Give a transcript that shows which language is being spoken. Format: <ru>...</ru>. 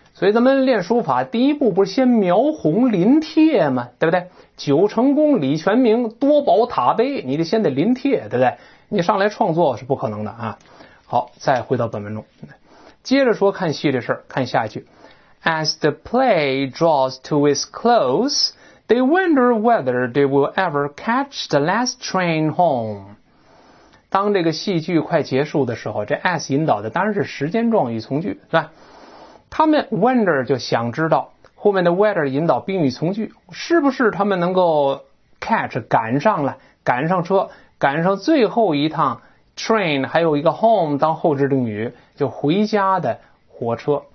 <zh>所以咱们练书法第一步不是先描红临帖吗？对不对？九成宫、李全明、多宝塔碑，你得先得临帖，对不对？你上来创作是不可能的啊。好，再回到本文中，接着说看戏的事，看下一句。</zh> <en>As the play draws to its close, they wonder whether they will ever catch the last train home.</en> <zh>当这个戏剧快结束的时候，这 as 引导的当然是时间状语从句，是吧？他们 wonder 就想知道，后面的 whether 引导宾语从句，是不是他们能够 catch 赶上了，赶上车，赶上最后一趟 train， 还有一个 home 当后置定语，就回家的火车。</zh>